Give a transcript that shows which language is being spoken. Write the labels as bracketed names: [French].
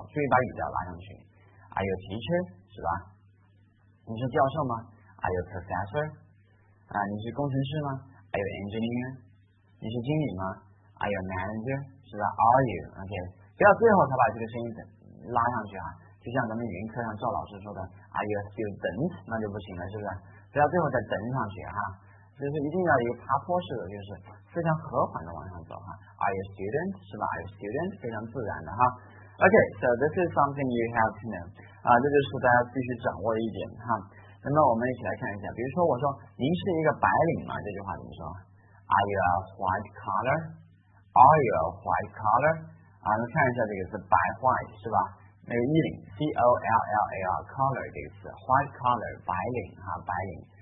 [Chinese] 注意把语调拉上去。 [English] Are you a teacher? 是吧？ [Chinese] 你是教授吗？ [English] Are you a professor? [Chinese] 你是工程师吗？ [English] Are you an engineer? [Chinese] 你是经理吗？ [English] Are you a manager? 是吧？Are you? [Chinese] OK 不要最后才把这个声音拉上去啊，就像咱们语音课上赵老师说的 [English] Are you a student? [Chinese] 那就不行了，是不是？不要最后再等上去啊，就是一定要一个爬坡式的，就是非常和缓的往上走哈。 [English] Are you a student? 是吧 ？Are you a student? [Chinese] 非常自然的哈。 [English] OK, so this is something you have to know. [Chinese] 这就是大家必须掌握一点哈。那么我们一起来看一下，比如说我说您是一个白领吗？这句话怎么说 [English] ？Are you a white collar? Are you a white collar? [Chinese] 我们看一下这个是白 white 是吧？那个衣领 C O L L A R collar 这个词 white collar 白领哈，白领。